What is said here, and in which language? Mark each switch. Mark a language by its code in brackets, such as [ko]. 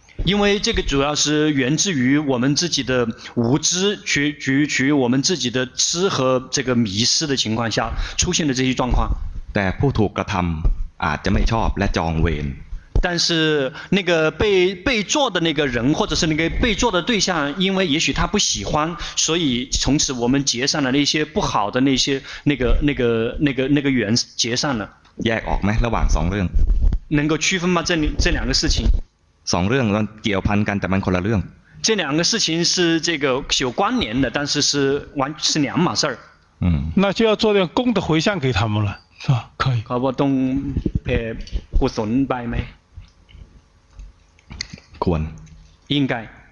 [zh] 因为这个主要是源自于我们自己的无知，取决于我们自己的知和这个迷失的情况下出现的这些状况。 [th] แต่ผู้ถูกกระทำอาจจะไม่ชอบและจองเวร。 [zh] 但是那个被做的那个人或者是那个被做的对象因为也许他不喜欢所以从此我们结上了那些不好的那些那个缘结上了 [th] แยกออกไหมระหว่าง2เรื่อง [zh] 能够区分吗这两个事情 [th] 2เรื่องมันเกี่ยวพันกันแต่มันคนละเรื่อง [zh] 这两个事情是这个有关联的但是是完是两码事儿那就要做点功德回向给他们了是吧可以 [th] เขาบอกต้องไปกุศลไปไหม ควร [zh] 应该